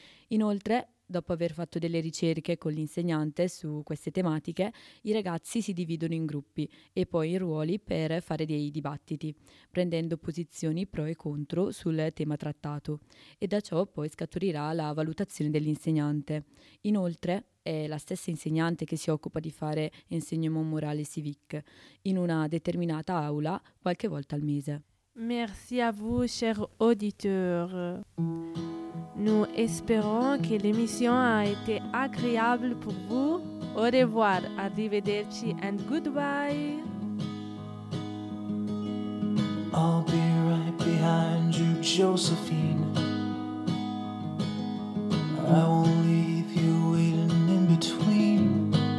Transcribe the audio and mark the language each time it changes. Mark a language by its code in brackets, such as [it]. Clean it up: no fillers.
[it] Inoltre, dopo aver fatto delle ricerche con l'insegnante su queste tematiche, i ragazzi si dividono in gruppi e poi in ruoli per fare dei dibattiti, prendendo posizioni pro e contro sul tema trattato. E da ciò poi scaturirà la valutazione dell'insegnante. Inoltre, è la stessa insegnante che si occupa di fare enseignement morale civique in una determinata aula qualche volta al mese. [fr] Merci à vous, cher auditeur. Nous espérons que l'émission a été agréable pour vous. Au revoir, [it] arrivederci [en] and goodbye. I'll be right behind you, Josephine. I won't leave you waiting in between.